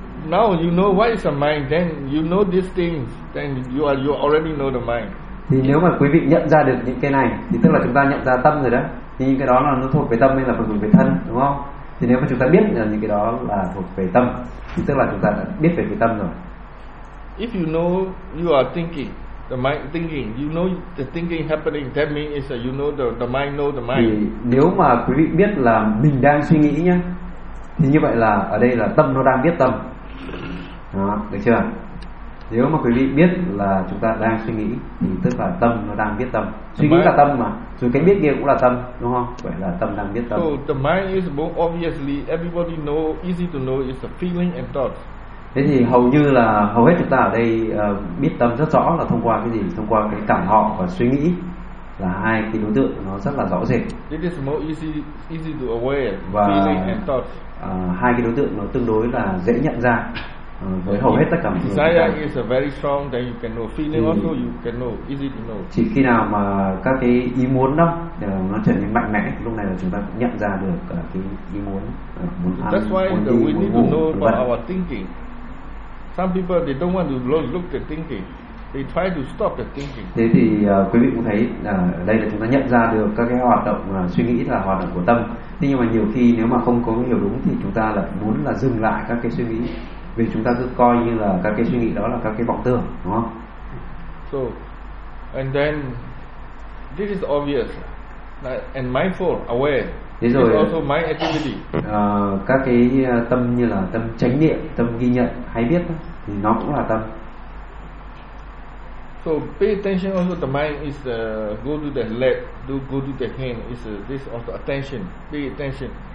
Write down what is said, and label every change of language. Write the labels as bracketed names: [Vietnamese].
[English] Now you know what is the mind, then you know these things, then you already know the mind. [Vietnamese] Thì nếu mà quý vị nhận ra được những cái này thì tức là chúng ta nhận ra tâm rồi đó. Thì những cái đó là nó thuộc về tâm hay là thuộc về thân, đúng không? Thì nếu mà chúng ta biết là những cái đó là thuộc về tâm thì tức là chúng ta đã biết về cái tâm rồi. [English] If you know you are thinking, the mind thinking, you know the thinking happening, that means is that you know the mind know the mind. [Vietnamese] Thì nếu mà quý vị biết là mình đang suy nghĩ nhá, thì như vậy là ở đây là tâm nó đang biết tâm. Đó, được chưa? Nếu mà quý vị biết là chúng ta đang suy nghĩ thì tức là tâm nó đang biết tâm. Suy nghĩ là tâm mà, rồi cái biết kia cũng là tâm, đúng không? Vậy là tâm đang biết tâm. [English] So the mind is both obviously everybody know, easy to know is the feeling and thoughts. [Vietnamese] Thế thì hầu như là hầu hết chúng ta ở đây biết tâm rất rõ là thông qua cái gì? Thông qua cái cảm thọ và suy nghĩ là hai cái đối tượng nó rất là rõ rệt. [English] It is more easy to aware và feeling and thoughts. [Vietnamese] Hai cái đối tượng nó tương đối là dễ nhận ra. Với hầu hết tất cả mọi người. [English] Desire is a very strong that you can know. Feeling also you can know, easy to know. [Vietnamese] Chỉ khi nào mà các cái ý muốn đó nó trở nên mạnh mẽ, lúc này là chúng ta nhận ra được cái ý muốn, muốn ăn, [English] that's why [Vietnamese] muốn đi, [English] we [Vietnamese] muốn [English] need [Vietnamese] ngủ, [English] to know about our thinking. Some people they don't want to look the thinking. They try to stop the thinking. [Vietnamese] Thế thì quý vị cũng thấy đây là chúng ta nhận ra được các cái hoạt động suy nghĩ là hoạt động của tâm. Thế nhưng mà nhiều khi nếu mà không có hiểu đúng thì chúng ta là muốn là dừng lại các cái suy nghĩ. Vì chúng ta cứ coi như là các cái suy nghĩ đó là các cái vọng tưởng, đúng không? [English] So and then this is obvious. Like, and mindful, aware. [Vietnamese] Thế rồi, [English] also mind activity. [Vietnamese] Các cái tâm như là tâm chánh niệm, tâm ghi nhận, hay biết đó, thì nó cũng là tâm. [English] So pay attention also the mind is go to the leg, do go to the hand is this also attention, pay attention.